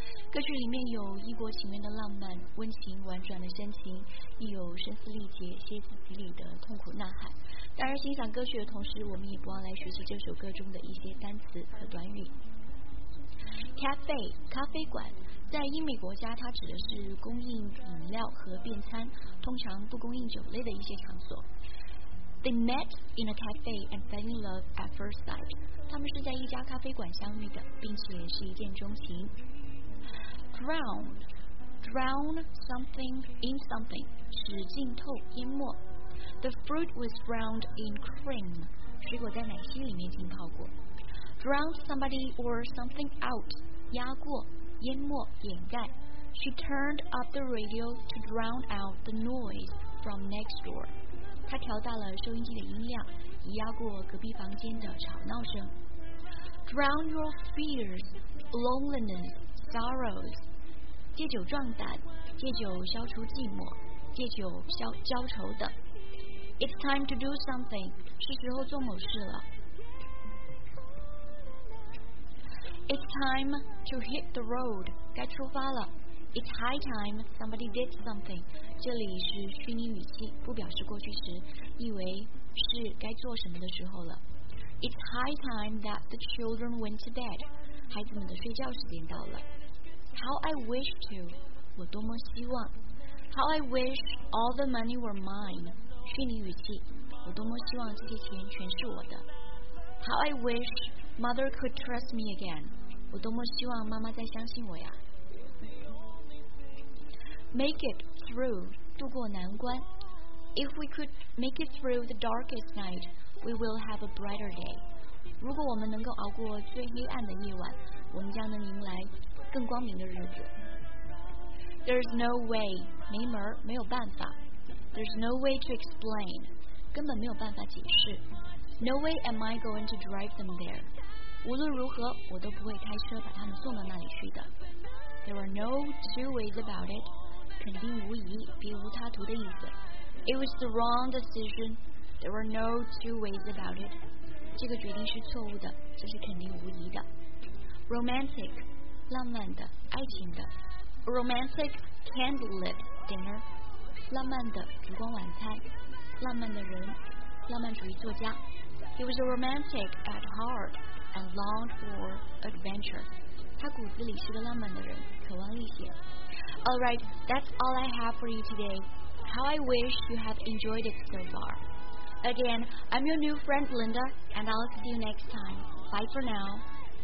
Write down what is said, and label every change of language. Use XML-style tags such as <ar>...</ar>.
<zh>歌曲里面有异国情缘的浪漫，温情婉转的深情，亦有声嘶力竭、歇斯底里的痛苦呐喊。当然，欣赏歌曲的同时，我们也不忘来学习这首歌中的一些单词和短语。</zh> <en>Cafe</en> <zh>咖啡馆，在英美国家，它指的是供应饮料和便餐，通常不供应酒类的一些场所。</zh> <en>They met in a cafe and fell in love at first sight.</en> <zh>他们是在一家咖啡馆相遇的，并且是一见钟情。</zh> <en>Drown something in something</en> <zh>是浸透、淹没。</zh> <en>The fruit was drowned in cream.</en> <zh>水果在奶昔里面浸泡过。</zh> <en>Drown somebody or something out</en> <zh>压过、淹没、掩盖。</zh> <en>She turned up the radio to drown out the noise from next door.</en> <zh>他调大了收音机的音量，以压过隔壁房间的吵闹声。</zh> <en>Drown your fears, loneliness, sorrows.</en> <zh>借酒壮胆，借酒消除寂寞，借酒消消愁的。</zh> <en>It's time to do something.</en> <zh>是时候做某事了。</zh> <en>It's time to hit the road.</en> <zh>该出发了。</zh> <en>It's high time somebody did something.</en> <zh>这里是虚拟语气，不表示过去时，意为是该做什么的时候了。</zh> <en>It's high time that the children went to bed.</en> <zh>孩子们的睡觉时间到了。</zh> <en>How I wish to.</en> <zh>我多么希望。</zh> <en>How I wish all the money were mine.</en> <zh>虚拟语气。我多么希望这些钱全是我的。</zh> <en>How I wish mother could trust me again.</en> <zh>我多么希望妈妈再相信我呀。</zh> <en>Make it through,</en> <zh>度过难关。</zh> <en>If we could make it through the darkest night, we will have a brighter day.</en> <zh>如果我们能够熬过最黑暗的夜晚，我们将能迎来更光明的日子。</zh> <en>There's no way,</en> <zh>没门，没有办法。</zh> <en>There's no way to explain,</en> <zh>根本没有办法解释。</zh> <en>No way am I going to drive them there.</en> <zh>无论如何，我都不会开车把他们送到那里去的。</zh> <en>There are no two ways about it.</en> <zh>肯定无疑，别无他途的意思。</zh> <en>It was the wrong decision. There were no two ways about it.</en> <zh>这个决定是错误的，这是肯定无疑的。 Romantic, 浪漫的，爱情的。</zh> <en>Romantic candlelit dinner,</en> <zh>浪漫的烛光晚餐。浪漫的人，浪漫主义作家。</zh> <en>He was a romantic at heart and longed for adventure.</en> <zh>他骨子里是个浪漫的人，渴望历险。</zh> <en>Alright, that's all I have for you today. How I wish you have enjoyed it so far. Again, I'm your new friend Linda, and I'll see you next time. Bye for now.</en>